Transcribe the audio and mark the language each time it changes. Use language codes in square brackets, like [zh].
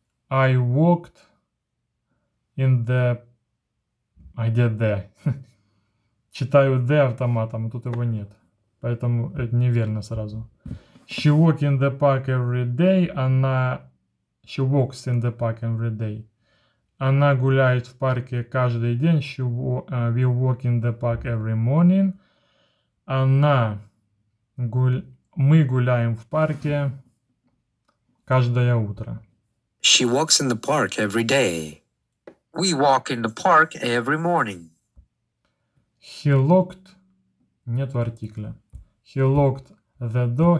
[en] I walked in the... I did the. [ru] Читаю the автоматом, а тут его нет. Поэтому это неверно сразу. [en] She walked in the park every day. [ru] Она... [en] She walks in the park every day. [ru] Она гуляет в парке каждый день. [en] She we walk in the park every morning. [ru] Она мы гуляем в парке каждое утро. [en] She walks in the park every day. We walk in the park every morning. He locked. [ru] Нет артикля. [en] He locked the door.